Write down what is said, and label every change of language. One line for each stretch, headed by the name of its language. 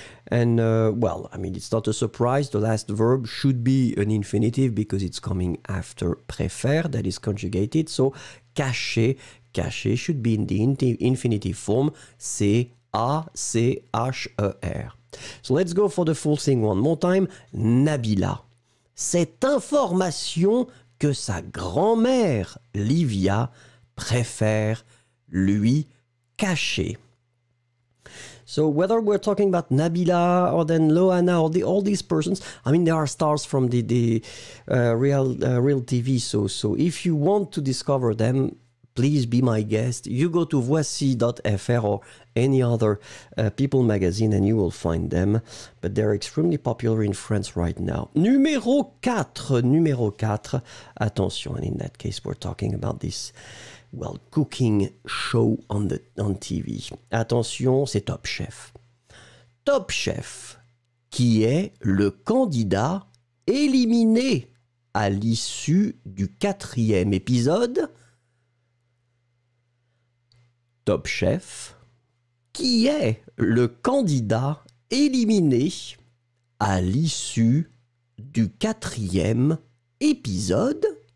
English: And, well, I mean, it's not a surprise. The last verb should be an infinitive because it's coming after préfère, that is conjugated. So, cacher, cacher should be in the infinitive form, C-A-C-H-E-R. So, let's go for the full thing one more time. Nabila.
French: Cette information que sa grand-mère, Livia, préfère lui cacher.
English: So whether we're talking about Nabila or then Loana or all these persons, I mean, they are stars from the real TV. So if you want to discover them, please be my guest. You go to Voici.fr or any other People magazine and you will find them. But they're extremely popular in France right now.
French: Numéro 4.
English: Attention, and in that case, we're talking about this, well, cooking show on TV.
French: Attention, c'est Top Chef. Top Chef, qui est le candidat éliminé à l'issue du 4e épisode? Top Chef, qui est le candidat éliminé à l'issue du 4e épisode?